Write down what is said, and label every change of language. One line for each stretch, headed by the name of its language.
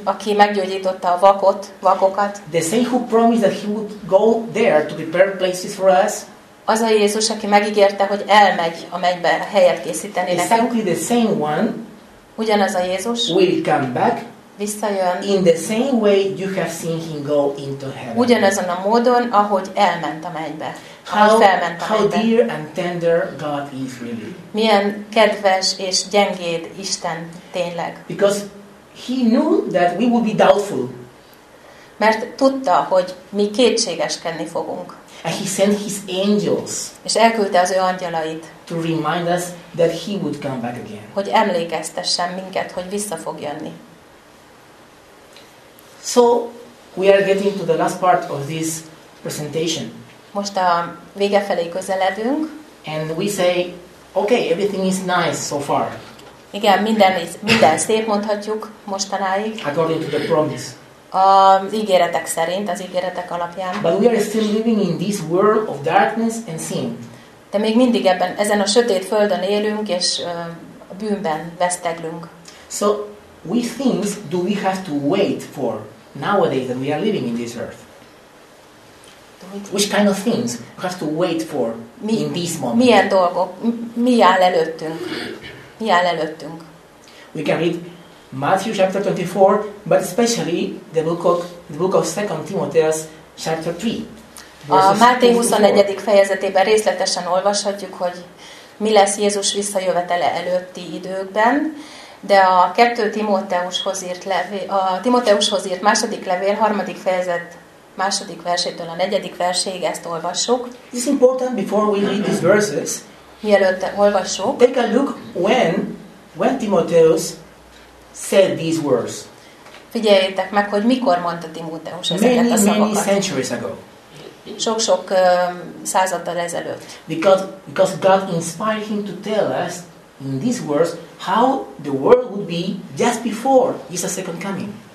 Hungarian: aki meggyógyította a vakokat.
English: The same who promised that he would go there to prepare places for us.
Hungarian: Az a Jézus, aki megígérte, hogy elmegy a mennybe helyet készíteni nekünk.
English: Exactly the same one.
Hungarian: Ugyanaz a Jézus.
English: Will come back.
Hungarian: Visszajön.
English: In the same way you have seen him go into heaven.
Hungarian: Ugyanazon a módon, ahogy elment a mennybe.
English: How dear and tender God is really.
Hungarian: Milyen kedves és gyengéd Isten tényleg.
English: Because he knew that we would be doubtful.
Hungarian: Mert tudta, hogy mi kétségeskedni fogunk.
English: And he sent his angels.
Hungarian: És elküldte az ő angyalait.
English: To remind us that he would come back again.
Hungarian: Hogy emlékeztessen minket, hogy vissza fog jönni.
English: So we are getting to the last part of this presentation.
Hungarian: Most a vége felé közeledünk.
English: And we say, okay, everything is nice so far.
Hungarian: Igen, minden szép mondhatjuk mostanáig.
English: According to the promise.
Hungarian: Az ígéretek szerint, az ígéretek alapján.
English: But we are still living in this world of darkness and sin.
Hungarian: De még mindig ebben, ezen a sötét földön élünk, és a bűnben veszteglünk.
English: So, what things do we have to wait for nowadays that we are living in this earth? Which kind of things we have to wait for in this moment?
Hungarian: Milyen dolgok? Mi áll előttünk? Mi áll előttünk?
English: We can read Matthew chapter 24, but especially the book of 2 Timothy chapter 3.
Hungarian: A Máté 24. fejezetében részletesen olvashatjuk, hogy mi lesz Jézus visszajövetele előtti időkben. De a 2 Timóteushoz írt levél, a Timóteushoz írt második levél, harmadik fejezet, második versétől a negyedik verséig ezt olvassuk.
English: It's important before we read these verses.
Hungarian: Mielőtt olvassuk.
English: Take a look when Timotheus said these words.
Hungarian: Figyeljétek meg, hogy mikor mondta Timóteus ezeket a szavakat.
English: Many centuries ago.
Hungarian: Sok-sok századdal ezelőtt.
English: Because God inspired him to tell us in these words how the world would be just before Jesus' second coming.